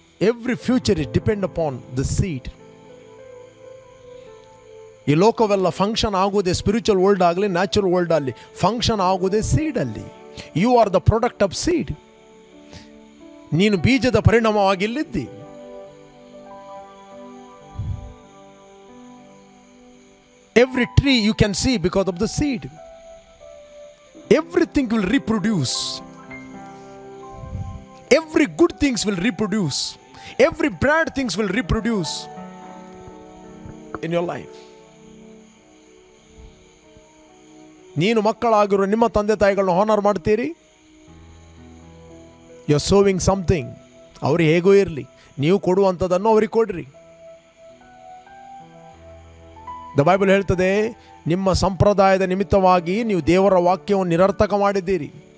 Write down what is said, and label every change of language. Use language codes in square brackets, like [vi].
[en] Every future is depend upon the seed. [kn] ಈ ಲೋಕವೆಲ್ಲ function ಆಗುವುದೇ spiritual world ಆಗಲಿ, natural world ಆಗಲಿ, ಫಂಕ್ಷನ್ ಆಗುವುದೇ ಸೀಡ್ ಅಲ್ಲಿ. [en] You are the product of seed. [kn] ನೀನು ಬೀಜದ ಪರಿಣಾಮವಾಗಿ ಇಲ್ಲಿದ್ದಿ. [en] Every tree you can see because of the seed. everything will reproduce. Every good things will reproduce. Every bad things will reproduce in your life. [kn] ನೀನು ಮಕ್ಕಳಾಗಿರೋ ನಿಮ್ಮ ತಂದೆ ತಾಯಿಗಳನ್ನ honour ಮಾಡ್ತೀರಿ. [en] You are sowing something. [kn] ಅವ್ರು ಹೇಗೋ ಇರಲಿ, ನೀವು ಕೊಡುವಂಥದ್ದನ್ನು ಅವ್ರಿಗೆ ಕೊಡ್ರಿ. ದ ಬೈಬಲ್ ಹೇಳ್ತದೆ, ನಿಮ್ಮ ಸಂಪ್ರದಾಯದ ನಿಮಿತ್ತವಾಗಿ ನೀವು ದೇವರ ವಾಕ್ಯವನ್ನು ನಿರರ್ಥಕ ಮಾಡಿದ್ದೀರಿ.